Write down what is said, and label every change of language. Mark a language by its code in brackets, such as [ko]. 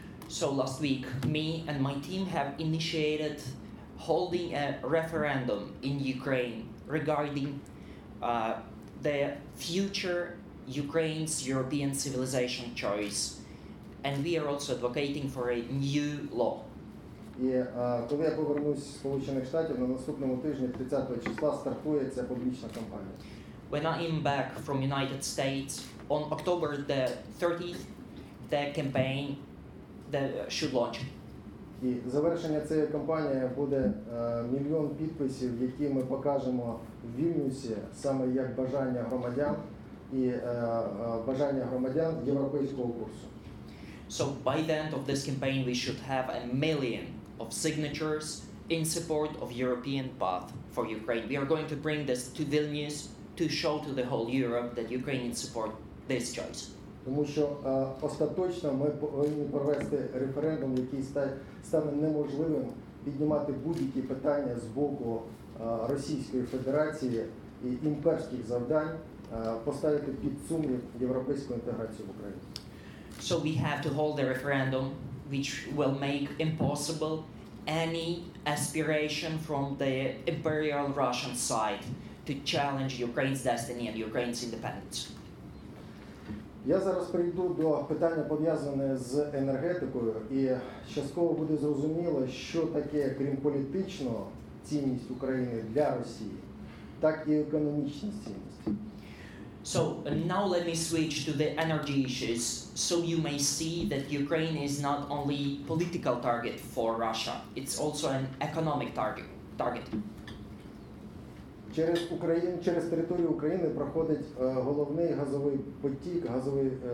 [en] So last week me and my team have initiated holding a referendum in Ukraine regarding the future Ukraine's European civilization choice, and we are also advocating for a new law. [uk] І коли я повернусь з Сполучених Штатів, на наступному тижні, 30-го числа, стартує ця публічна кампанія. [en] When I am back from United States on October the 30th, the campaign should launch. [uk] І завершення цієї кампанії буде мільйон підписів, які ми покажемо в Вільнюсі саме як бажання громадян і бажання громадян європейського курсу. [en] So by the end of this campaign we should have a million of signatures in support of European path for Ukraine. We are going to bring this to Vilnius to show to the whole Europe that Ukrainians support this choice. [uk] Тому що остаточно ми повинні провести референдум, який стане неможливим піднімати будь-які питання з боку Російської Федерації і імперських завдань, поставити під сумнів європейську інтеграцію в Україні. [en] So we have to hold a referendum which will make impossible any aspiration from the imperial Russian side to challenge Ukraine's destiny and Ukraine's independence. [uk] Я зараз перейду до питання, пов'язане з енергетикою, і частково буде зрозуміло, що таке, крім політичного, цінність України для Росії, так і економічна цінність. [en] So, now let me switch to the energy issues, so you may see that Ukraine is not only political target for Russia, it's also an economic target. [uk] Через територію України проходить головний газовий потік, газовий